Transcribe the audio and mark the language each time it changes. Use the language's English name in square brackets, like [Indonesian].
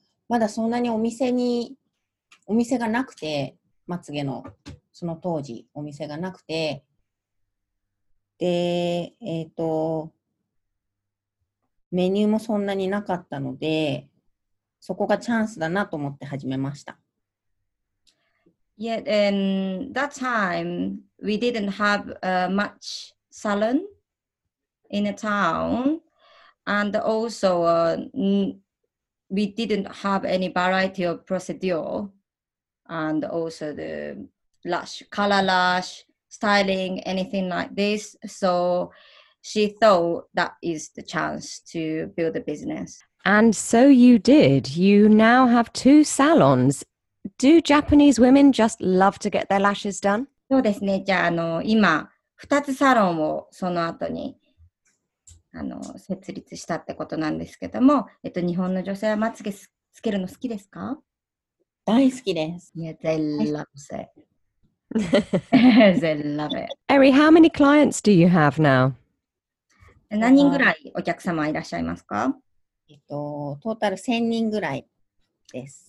[Japanese] まだそんなにお店がなくて、まつげの、その当時お店がなくて、で、メニューもそんなになかったので、そこがチャンスだなと思って始めました。 [English] Yet, in that time, we didn't have much salon in the town. And also, we didn't have any variety of procedure. And also the lash, color lash, styling, anything like this. So she thought that is the chance to build a business. And so you did. You now have two salons. Do Japanese women just love to get their lashes done? [Japanese] そうですね。じゃあ、今、二つサロンをその後に、設立したってことなんですけども、日本の女性はまつげつけるの好きですか？大好きです。 [English] Yeah, they love it. They love it. Eri, how many clients do you have now? [Japanese] 何人ぐらいお客様いらっしゃいますか？トータル1000人ぐらいです。